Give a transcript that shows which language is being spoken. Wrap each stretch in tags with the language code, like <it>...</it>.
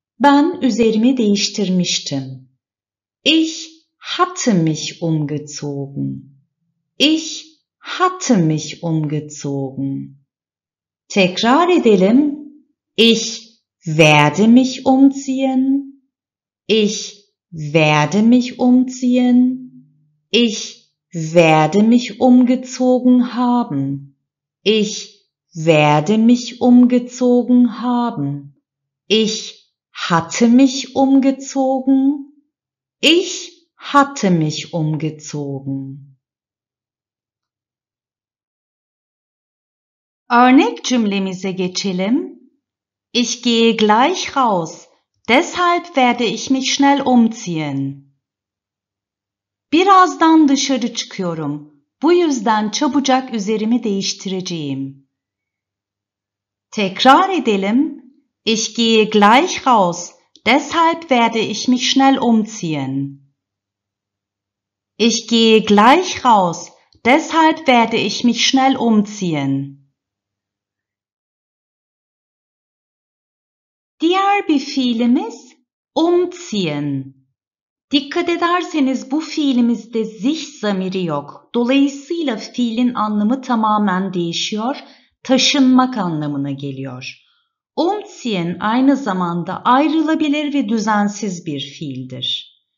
<tr>Ben üzerimi değiştirmiştim.</tr> <de>Ich hatte mich umgezogen. Ich hatte mich umgezogen.</de> <tr>Tekrar edelim.</tr> <de>Ich werde mich umziehen. Ich werde mich umziehen. Ich werde mich umgezogen haben. Ich werde mich umgezogen haben. Ich hatte mich umgezogen. Ich hatte mich umgezogen.</de> <tr>Cümlemize geçelim.</tr> <de>Ich gehe gleich raus. Deshalb werde ich mich schnell umziehen.</de> <tr>Birazdan dışarı çıkıyorum. Bu yüzden çabucak üzerimi değiştireceğim. Tekrar edelim.</tr> <de>Ich gehe gleich raus. Deshalb werde ich mich schnell umziehen. Ich gehe gleich raus. Deshalb werde ich mich schnell umziehen.</de> <tr>Diğer bir fiilimiz umziehen. Dikkat ederseniz bu fiilimizde sich zamiri yok. Dolayısıyla fiilin anlamı tamamen değişiyor. Taşınmak anlamına geliyor. Umziehen aynı zamanda ayrılabilir ve düzensiz bir fiildir.</tr>